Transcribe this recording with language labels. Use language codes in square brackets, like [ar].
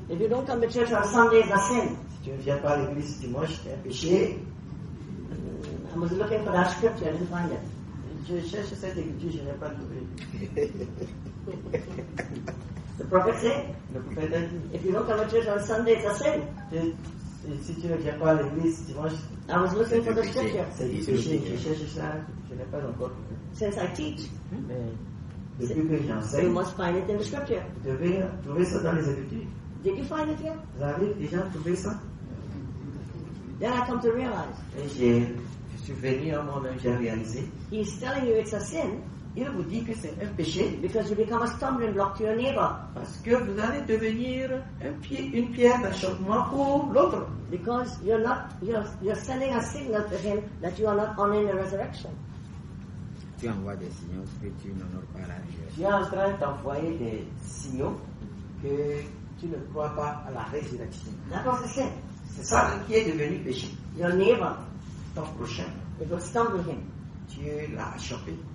[en] If you don't come to church on Sunday, it's a sin. [fr] Si tu ne viens pas à l'église dimanche, c'est un péché. [en] I was looking for that scripture, I didn't find it. [fr] Je cherche cette écriture, je n'ai pas trouvé. [en] The prophet said, [fr] le prophète a dit, [en] if you don't come to church on Sunday, it's a sin. [fr] Si tu ne viens pas à l'église dimanche, [en] I was looking for the scripture. [fr] C'est péché, je cherche ça, je n'ai pas encore trouvé. [en] Since I teach, [fr] mais depuis que j'enseigne, [en] you must find it in the scripture. [fr] Vous devez trouver ça dans les écritures. [en] Did you find it yet? [fr] Vous avez déjà trouvé ça? [en] Then I come to realize. [fr] Et je suis venu à mon âge à réaliser. [en] He's telling you it's a sin. [fr] Il vous dit que c'est un péché. [en] Because you become a stumbling block to your neighbor. [fr] Parce que vous allez devenir une pierre d'achoppement pour l'autre. [en] Because you're sending a signal to him that you are not honoring the resurrection. [fr] Tu envoies des signaux que tu n'honores pas la résurrection. Tu es en train d'envoyer des signaux que tu ne crois pas à la résurrection. D'accord, c'est sain. C'est ça qui est devenu péché. [en] Your neighbor. [fr] Ton prochain. [en] It will stumble him. [fr] Tu l'as achoppé.